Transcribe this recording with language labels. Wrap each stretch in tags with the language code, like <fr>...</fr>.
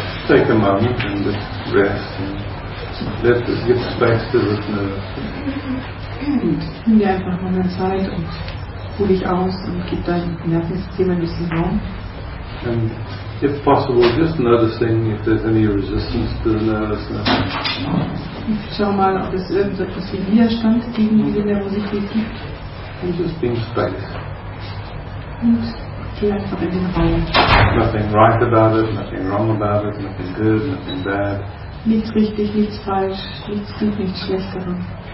<en>Take a moment and just rest and let it give space to this nervousness.</en> <de>Nimm dir einfach mal mehr Zeit und ruh dich aus und gib deinem Nervensystem ein bisschen Raum.</de> <en>And if possible, just noticing if there's any resistance to the nervousness.</en> <de>Und schau mal, ob es irgendetwas wie Widerstand gegen diese Nervosität gibt.</de> <en>Just being space.</en> <de>Und</de> <en>Nothing right about it, nothing wrong about it, nothing good, nothing bad.</en> <de>Nichts richtig, nichts falsch, nichts gut, nichts schlecht daran.</de>